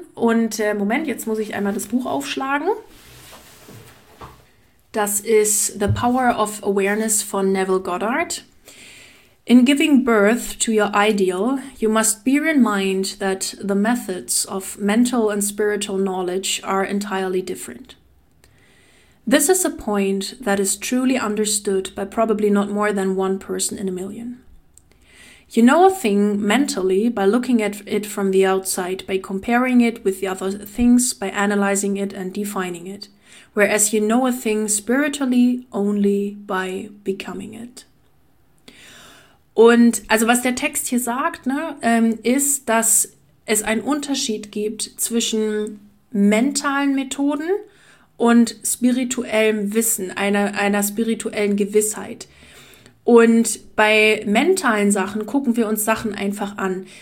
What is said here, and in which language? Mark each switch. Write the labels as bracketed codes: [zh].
[de] Und Moment, jetzt muss ich einmal das Buch aufschlagen. Das ist The Power of Awareness von Neville Goddard. [en] In giving birth to your ideal, you must bear in mind that the methods of mental and spiritual knowledge are entirely different. This is a point that is truly understood by probably not more than one person in a million. You know a thing mentally by looking at it from the outside, by comparing it with the other things, by analyzing it and defining it, whereas you know a thing spiritually only by becoming it. [de] Und also was der Text hier sagt, ne, ist, dass es einen Unterschied gibt zwischen mentalen Methoden und spirituellem Wissen, einer spirituellen Gewissheit. Und bei mentalen Sachen gucken wir uns Sachen einfach an.